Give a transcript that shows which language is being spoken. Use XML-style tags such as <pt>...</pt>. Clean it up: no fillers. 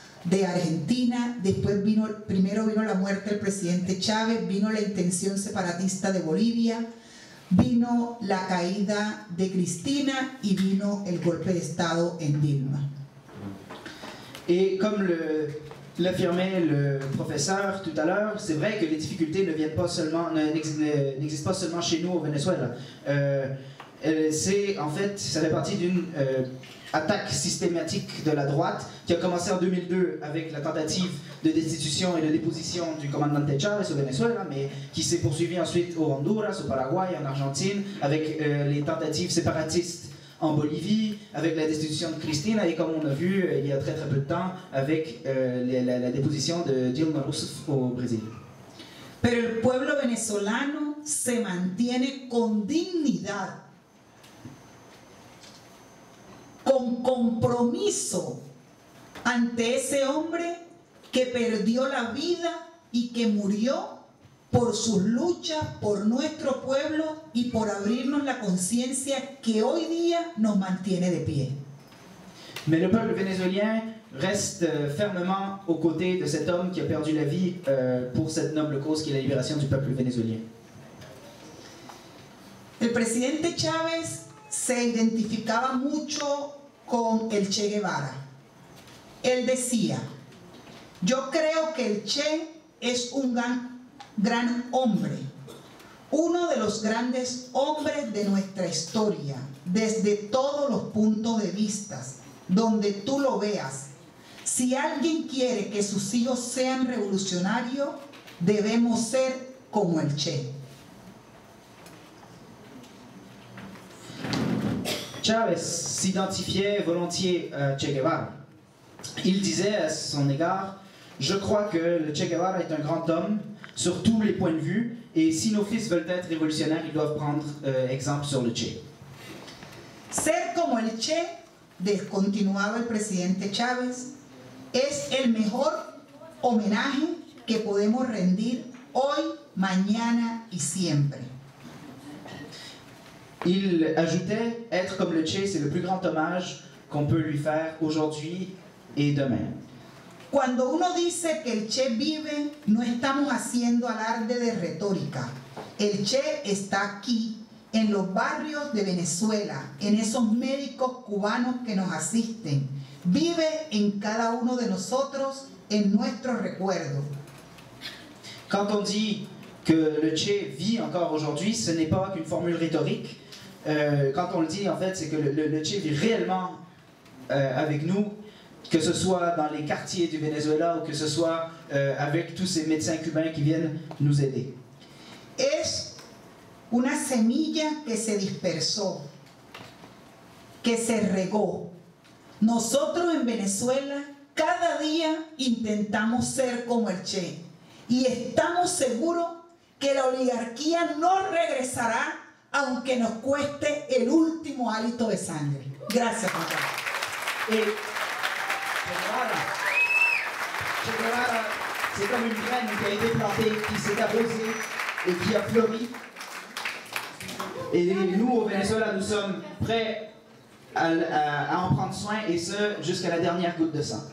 <es>de Argentina, después vino, primero vino la muerte del presidente Chávez, vino la intención separatista de Bolivia, vino la caída de Cristina y vino el golpe de Estado en Dilma.</es> <fr>Et comme l'affirmait le professeur tout à l'heure, c'est vrai que les difficultés ne viennent pas seulement, n'existent pas seulement chez nous au Venezuela. Ça fait partie d'une attaque systématique de la droite qui a commencé en 2002 avec la tentative de destitution et de déposition du commandante Chávez au Venezuela, mais qui s'est poursuivie ensuite au Honduras, au Paraguay, en Argentine, avec les tentatives séparatistes en Bolivie, avec la destitution de Cristina et comme on a vu il y a très très peu de temps avec la déposition de Dilma Rousseff au Brésil.</fr> <es>Pero el pueblo venezolano se mantiene con dignidad, con compromiso ante ese hombre que perdió la vida y que murió por sus luchas, por nuestro pueblo y por abrirnos la conciencia que hoy día nos mantiene de pie.</es> <fr>Mais le peuple vénézuélien reste fermement aux côtés de cet homme qui a perdu la vie pour cette noble cause qui est la libération du peuple vénézuélien.</fr> <es>El presidente Chávez se identificaba mucho con el Che Guevara. Él decía, yo creo que el Che es un gran hombre, uno de los grandes hombres de nuestra historia, desde todos los puntos de vista, donde tú lo veas. Si alguien quiere que sus hijos sean revolucionarios, debemos ser como el Che.</es> <fr>Chávez s'identifiait volontiers à Che Guevara. Il disait à son égard, je crois que le Che Guevara est un grand homme sur tous les points de vue et si nos fils veulent être révolutionnaires, ils doivent prendre exemple sur le Che.</fr> <es>Ser como el Che, descontinuaba el presidente Chávez, es el mejor homenaje que podemos rendir hoy, mañana y siempre.</es> <fr>Il ajoutait, être comme le Che, c'est le plus grand hommage qu'on peut lui faire aujourd'hui et demain.</fr> <es>Cuando uno dice que el Che vive, no estamos haciendo alarde de retórica. El Che está aquí, en los barrios de Venezuela, en esos médicos cubanos que nos asisten. Vive en cada uno de nosotros, en nuestro recuerdo.</es> <fr>Quand on dit que le Che vit encore aujourd'hui, ce n'est pas qu'une formule rhétorique. Quand on le dit, en fait, c'est que le Che vit réellement avec nous, que ce soit dans les quartiers du Venezuela ou que ce soit avec tous ces médecins cubains qui viennent nous aider.</fr> <es>Es una semilla que se dispersó, que se regó. Nosotros en Venezuela, cada día intentamos ser como el Che y estamos seguros que la oligarquía no regresará aunque nos cueste el último hálito de sangre. Gracias, compadre.</es> <fr>Che Guevara, c'est comme une graine qui a été plantée, qui s'est arrosée et qui a fleuri. Et nous, au Venezuela, nous sommes prêts à en prendre soin, et ce, jusqu'à la dernière goutte de sang.</fr>